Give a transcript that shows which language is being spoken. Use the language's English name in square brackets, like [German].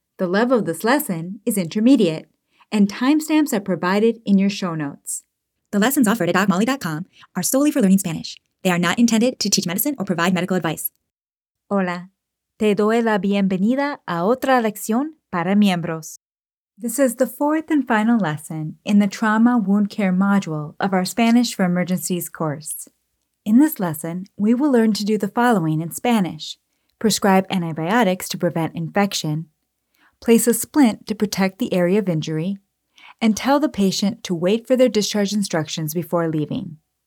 [English] The level of this lesson is intermediate, and timestamps are provided in your show notes. The lessons offered at DocMolly.com are solely for learning Spanish. They are not intended to teach medicine or provide medical advice. [Spanish] Hola, te doy la bienvenida a otra lección para miembros. [English] This is the fourth and final lesson in the Trauma Wound Care module of our Spanish for Emergencies course. In this lesson, we will learn to do the following in Spanish: prescribe antibiotics to prevent infection, place a splint to protect the area of injury, and tell the patient to wait for their discharge instructions before leaving.